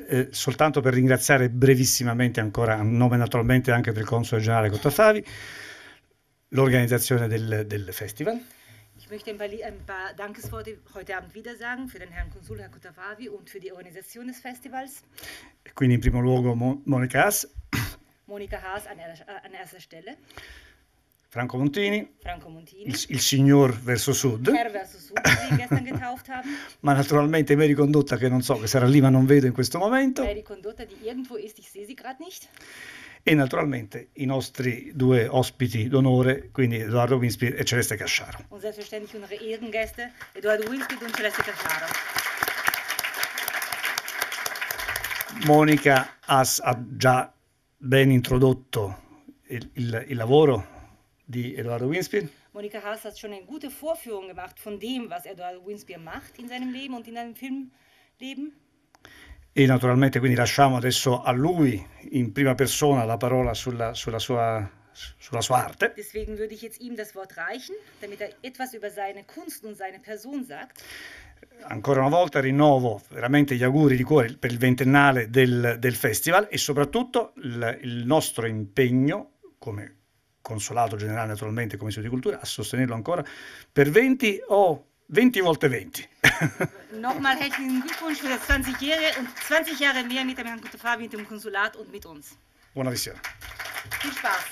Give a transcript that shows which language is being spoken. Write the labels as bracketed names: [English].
[Italian] Soltanto per ringraziare brevissimamente ancora, a nome naturalmente anche del console generale Cotafavi, l'organizzazione del festival. [German] Möchte ein paar Dankesworte heute Abend wieder sagen für den Herrn Konsul, Herr Cotafavi, und für die Organisation des Festivals. [Italian] Quindi in primo luogo Monica Haas, [German] Monica Haas an erster Stelle. [Italian] Franco Montini, [German] Franco Montini, [Italian] il signor Versosud, [German] Herr Versosud, den wir gestern getauft haben. [Italian] ma naturalmente Mary Condotta, che non so, che sarà lì ma non vedo in questo momento. [German] Mary Condotta, die irgendwo ist, ich sehe sie gerade nicht. [Italian] E naturalmente i nostri due ospiti d'onore, quindi Edoardo Winspiel e Celeste Casciaro. [German] Und selbstverständlich unsere Ehrengäste, Edoardo Winfried und Celeste Cacciaro. [Italian] Monica Haas ha già ben introdotto il lavoro di Edoardo Winspiel. [German] Monica Haas hat schon eine gute Vorführung gemacht von dem, was Edoardo Winspiel macht in seinem Leben und in seinem Filmleben. [Italian] E naturalmente quindi lasciamo adesso a lui in prima persona la parola sulla sua arte. [German] Deswegen würde ich jetzt ihm das Wort reichen, damit er etwas über seine Kunst und seine Person sagt. [Italian] Ancora una volta rinnovo veramente gli auguri di cuore per il ventennale del festival e soprattutto il nostro impegno come Consolato generale, naturalmente, come Istituto di Cultura, a sostenerlo ancora per 20 o 20 volte 20. [German] Nochmal herzlichen Glückwunsch für das 20-Jährige und 20 Jahre mehr mit dem Herrn Cotafavi, mit dem Konsulat und mit uns. [Italian] Buona visione. [German] Viel Spaß.